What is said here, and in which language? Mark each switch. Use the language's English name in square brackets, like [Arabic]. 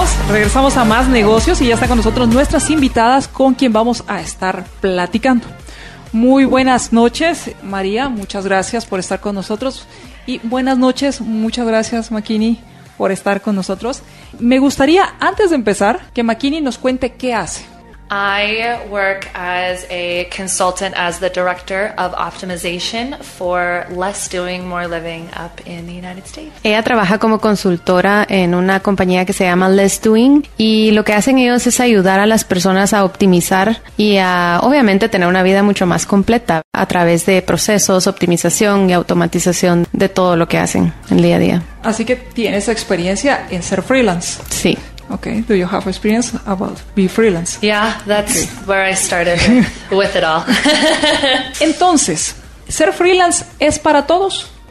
[Spanish] Regresamos a Más Negocios y ya está con nosotros nuestras invitadas con quien vamos a estar platicando. Muy buenas noches, María, muchas gracias por estar con nosotros. Y buenas noches, muchas gracias, Makini, por estar con nosotros. Me gustaría, antes de empezar, que Makini nos cuente qué hace. [English] I work as a consultant, as the director of optimization for less doing, more living up in the United States. [Spanish] Ella trabaja como consultora en una compañía que se llama Less Doing, y lo que hacen ellos es ayudar a las personas a optimizar y a obviamente tener una vida mucho más completa a través de procesos, optimización y automatización de todo lo que hacen en el día a día. Así que tienes experiencia en ser freelance. Sí. [English] Okay, do you have experience about being freelance? Yeah, that's okay. Where I started with it all. [Spanish] Entonces, ¿ser freelance es para todos?